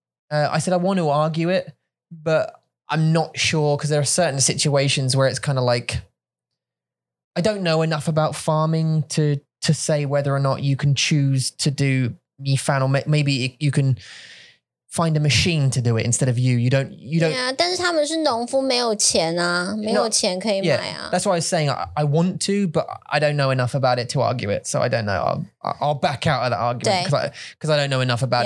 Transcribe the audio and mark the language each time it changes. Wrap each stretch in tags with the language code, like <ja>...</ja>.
<en>I said I want to argue it, but I'm not sure because there are certain situations where it's kind of like, I don't know enough about farming to say whether or not you can choose to do mi fan or maybe you can find a machine to do it instead of you don't.</en> <zh>Yeah, 但是他们是农夫，没有钱啊，没有钱可以买啊。</zh> <en>Yeah, that's why I was saying I want to, but I don't know enough about it to argue it. So I don't know. I'll back out of that argument because I don't know enough about</en>